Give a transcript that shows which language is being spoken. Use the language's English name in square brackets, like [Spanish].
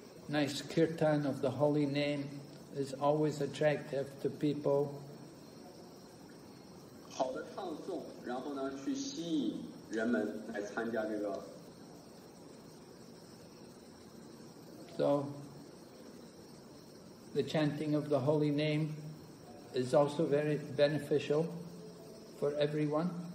[English] Nice kirtan of the holy name is always attractive to people. [Chinese] 好的唱诵，然后呢，去吸引人们来参加这个。 [English] So, the chanting of the holy name is also very beneficial for everyone.